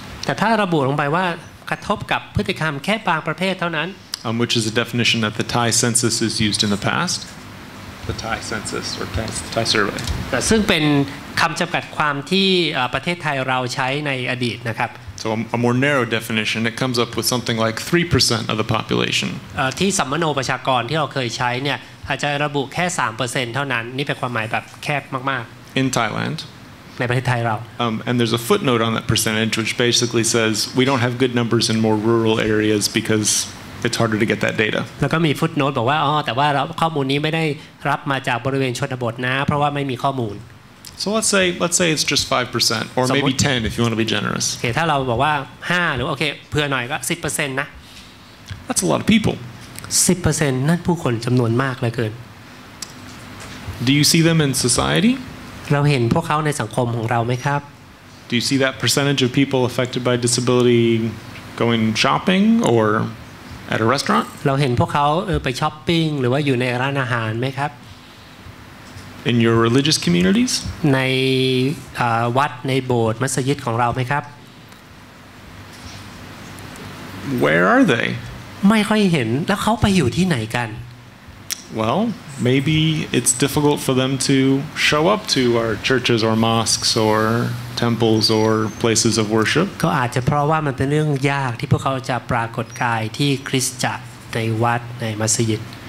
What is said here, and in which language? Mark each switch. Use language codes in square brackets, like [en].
[th] แต่ถ้าระบุลงไปว่ากระทบกับพฤติกรรมแค่บางประเภทเท่านั้น [en] which is a definition that the Thai census is used in the past the Thai census or Thai survey [th] ซึ่งเป็นคำจำกัดความที่ประเทศไทยเราใช้ในอดีตนะครับ [en] so a more narrow definition it comes up with something like 3% of the population [th] ที่สัมมโนประชากรที่เราเคยใช้เนี่ยอาจจะระบุแค่ 3% เท่านั้นนี่เป็นความหมายแบบแคบมาก [en] ๆ In Thailand [th] ในประเทศไทยเรา [en] and there's a footnote on that percentage which basically says we don't have good numbers in more rural areas because it's harder to get that data [th] แล้วก็มี footnote บอกว่าอ๋อแต่ว่าข้อมูลนี้ไม่ได้รับมาจากบริเวณชนบทนะเพราะว่าไม่มีข้อมูล [en] So let's say it's just 5% or maybe 10 if you want to be generous [th] โอเคถ้าเราบอกว่า5หรือโอเคเพื่อหน่อยก็ 10% นะ [en] That's a lot of people [th] 10% นั่นผู้คนจำนวนมากเลยเกิน [en] Do you see them in society? [th] เราเห็นพวกเขาในสังคมของเราไหมครับ [en] Do you see that percentage of people affected by disability going shopping or at a restaurant? [th] เราเห็นพวกเขาไปช้อปปิ้งหรือว่าอยู่ในร้านอาหารไหมครับ [en] In your religious communities? [th] ในวัดในโบสถ์มัสยิดของเราไหมครับ [en] Where are they? [th] ไม่ค่อยเห็นแล้วเขาไปอยู่ที่ไหนกัน [en] Well maybe it's difficult for them to show up to our churches or mosques or temples or places of worship [th] ก็อาจจะเพราะว่ามันเป็นเรื่องยากที่พวกเขาจะปรากฏกายที่คริสตจักรในวัดในมัสยิด